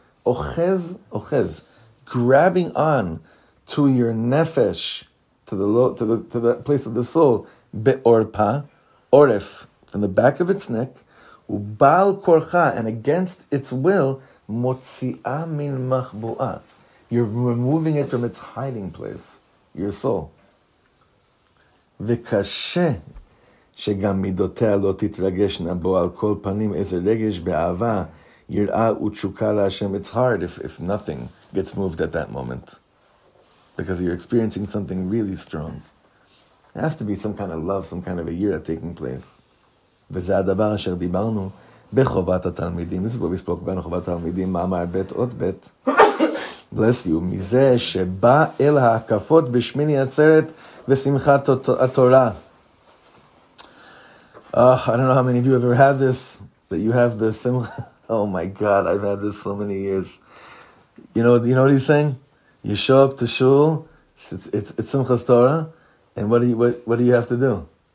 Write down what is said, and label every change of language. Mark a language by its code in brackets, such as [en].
[en] Ochez, grabbing on to your nefesh, to the place of the soul, be'orpa, oref, from the back of its neck, [he] ubal korcha, [en] and against its will, [he] motzi'a min machbu'a. [en] You're removing it from its hiding place, your soul. [he] V'kashe, שגם מידותיה לא תתרגשנה בו על כל פנים איזה רגש באהבה יראה ותשוקה להשם. [en] It's hard if nothing gets moved at that moment. Because you're experiencing something really strong. It has to be some kind of love, some kind of a yira taking place. [he] וזה הדבר אשר דיברנו בחובת התלמידים. [en] This is what we spoke about in [he] חובת התלמידים. מאמר בית עוד בית. [en] Bless you. [he] מזה שבא אל ההקפות בשמיני עצרת ושמחת התורה. [en] I don't know how many of you have ever had this, that you have the simcha. Oh my God, I've had this so many years. You know what he's saying? You show up to shul, it's Simchas Torah, and what do you have to do?